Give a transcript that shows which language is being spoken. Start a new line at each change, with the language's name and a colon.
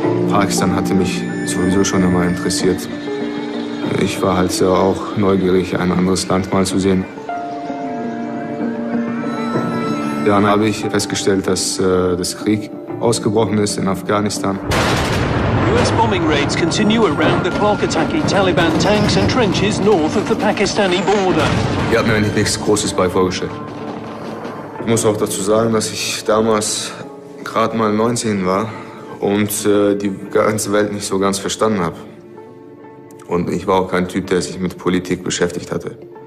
German: Pakistan hatte mich sowieso schon immer interessiert. Ich war halt auch neugierig, ein anderes Land mal zu sehen. Dann habe ich festgestellt, dass das Krieg ausgebrochen ist in Afghanistan.
English: US bombing raids continue around the clock, attacking Taliban tanks and trenches north of the Pakistani border.
German: Ich habe mir eigentlich nichts Großes bei vorgestellt. Ich muss auch dazu sagen, dass ich damals gerade mal 19 war und die ganze Welt nicht so ganz verstanden habe. Und ich war auch kein Typ, der sich mit Politik beschäftigt hatte.